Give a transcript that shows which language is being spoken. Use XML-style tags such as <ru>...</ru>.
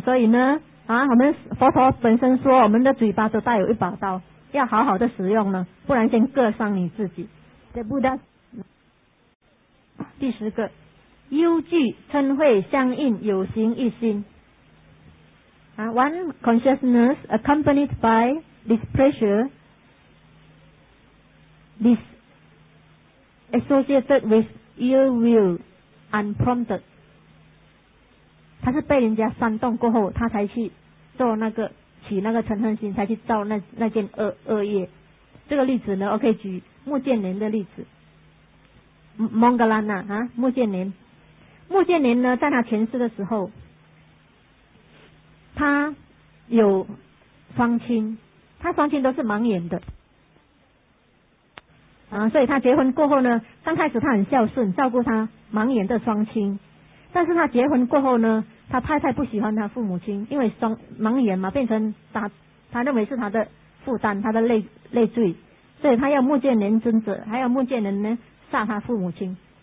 <zh>所以呢，我们佛陀本身说，我们的嘴巴都带有一把刀，要好好的使用呢，不然先割伤你自己。这不得。第十个，忧惧嗔恚相应有形一心。</zh> <en>One consciousness accompanied by displeasure, this associated with ill will, unprompted.</en> <zh>他是被人家煽动过后，他才去做那个起那个嗔恨心，才去造那件恶业。这个例子呢，我可以举穆建连的例子。蒙格拉纳啊，穆建连。穆建连呢，在他前世的时候，他有双亲，他双亲都是盲眼的啊，所以他结婚过后呢，刚开始他很孝顺，照顾他盲眼的双亲，但是他结婚过后呢，他太太不喜欢他父母亲，因为盲眼嘛，变成他认为是他的负担，他的累赘，所以他要穆建连尊者，还要穆建连呢杀他父母亲。</zh>